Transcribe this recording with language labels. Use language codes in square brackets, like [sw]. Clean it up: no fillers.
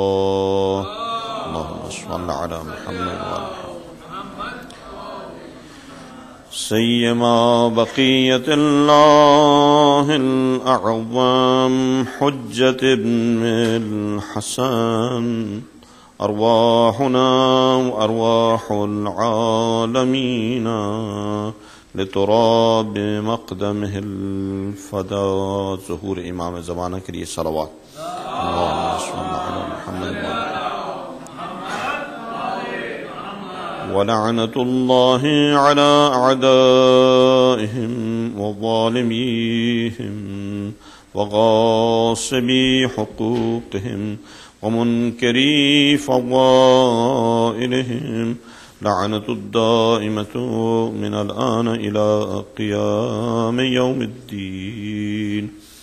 [ar] اللهم صل على محمد وعلى سيما بقية الله الأعظم حجة ابن الحسن أرواحنا وأرواح العالمين لتراب مقدمه الفدا. [ur] ظهور امام زمانہ کے لیے صلوات. [ar] اللهم صل على محمد وعلى محمد. ولعنت الله على اعدائهم وظالميهم وغاصبي حقوقهم ومنكري فضائلهم لعنة الدائمة من الآن إلى قيام يوم الدين.